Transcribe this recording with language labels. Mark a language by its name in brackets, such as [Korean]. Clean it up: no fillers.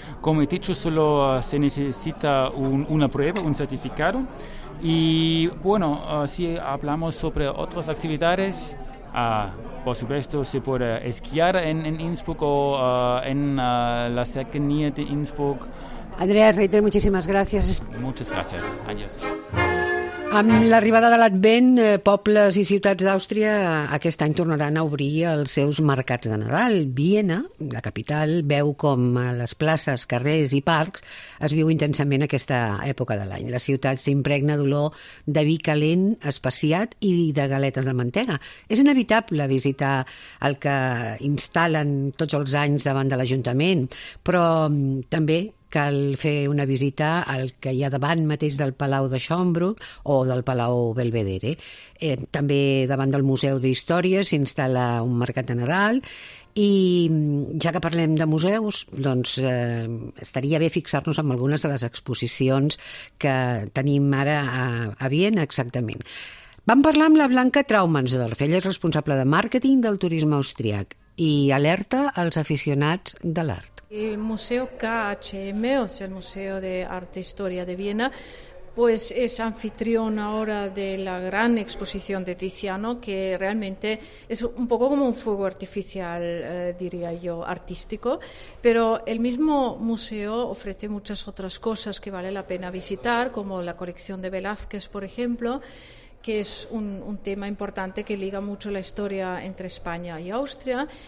[Spanish] Como he dicho, solo se necesita una prueba, un certificado. Y bueno, si hablamos sobre otras actividades, por supuesto, se puede esquiar en Innsbruck o en la cercanía de Innsbruck. Andreas Reiter, muchísimas gracias. Muchas gracias. Adiós. [Catalan] Amb l'arribada de l'Advent, pobles i ciutats d'Àustria aquest any tornaran a obrir els seus mercats de Nadal. Viena, la capital, veu com a les places, carrers i parcs es viu intensament aquesta època de l'any. La ciutat s'impregna d'olor de vi calent, especiat i de galetes de mantega. És inevitable visitar el que instal·len tots els anys davant de l'Ajuntament, però també cal fer una visita al que hi ha davant mateix del Palau de Schönbrunn o del Palau Belvedere. També davant del Museu d'Història s'instal·la un mercat de Nadal. I ja que parlem de museus, doncs estaria bé fixar-nos en algunes de les exposicions que tenim ara a Viena, exactament. Vam parlar amb la Blanca Traumannsdorf, ella és responsable de màrqueting del turisme austríac i alerta als aficionats de l'art. [Spanish] El Museo KHM, o sea, el Museo de Arte e Historia de Viena, pues es anfitrión ahora de la gran exposición de Tiziano, que realmente es un poco como un fuego artificial, diría yo, artístico. Pero el mismo museo ofrece muchas otras cosas que vale la pena visitar, como la colección de Velázquez, por ejemplo, que es un tema importante que liga mucho la historia entre España y Austria.